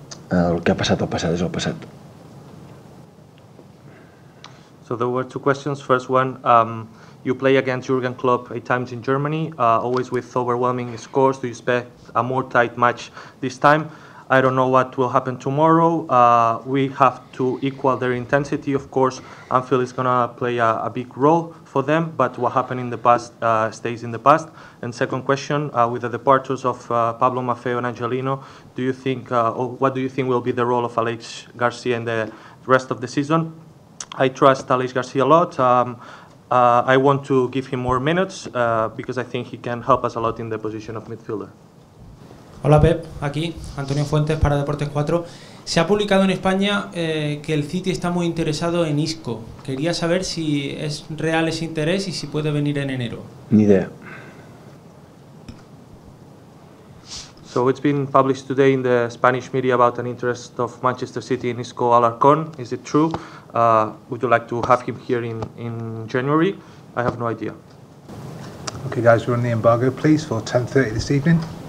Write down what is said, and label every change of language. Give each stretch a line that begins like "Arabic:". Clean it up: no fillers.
Catalan: El que ha passat al passat és el passat.
English: So there were 2 questions. First one, you play against Jurgen Klopp 8 times in Germany, always with overwhelming scores. Do you expect a more tight match this time? I don't know what will happen tomorrow. We have to equal their intensity, of course. Anfield is going to play a big role for them, but what happened in the past stays in the past. And second question, with the departures of Pablo Maffeo and Angelino, what do you think will be the role of Alex Garcia in the rest of the season? I trust Alex Garcia a lot. I want to give him more minutes because I think he can help us a lot in the position of midfielder.
Spanish: Hola Pep, aquí Antonio Fuentes para Deportes 4. Se ha publicado en España que el City está muy interesado en Isco. Quería saber si es real ese interés y si puede venir en enero. Ni idea.
English: So it's been published today in the Spanish media about an interest of Manchester City in Isco Alarcón. Is it true? Would you like to have him here in January? I have no idea. Okay guys, we're on the embargo please for 10:30 this evening.